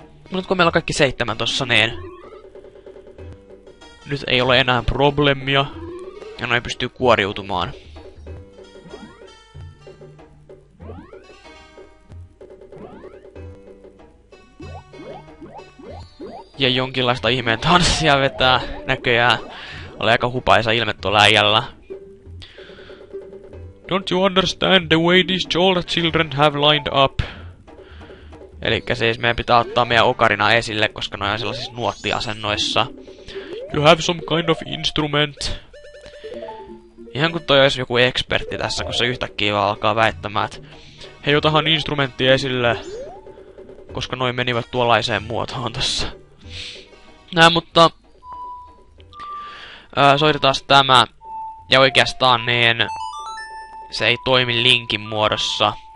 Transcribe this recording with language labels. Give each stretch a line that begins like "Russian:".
Finnish: Mut kun meillä on kaikki 7 tossa, niin nyt ei ole enää problemia ja noin pystyy kuoriutumaan. Ja jonkinlaista ihmeen tanssia vetää näköjään. Oli aika hupaisa ilme tuolla äijällä.
English: Don't you understand the way these older children have lined up?
Finnish: Elikkä siis meidän pitää ottaa meidän okarina esille, koska noin on sellaisissa nuottiasennoissa.
English: You have some kind of instrument.
Finnish: Ihan kun toi olisi joku ekspertti tässä, kun se yhtäkkiä vaan alkaa väittämään, että hei, otahan instrumentti esille. Koska noin menivät tuollaiseen muotoon tossa. Nää, mutta... soitetaan tämä. Ja oikeastaan niin... Se ei toimi linkin muodossa.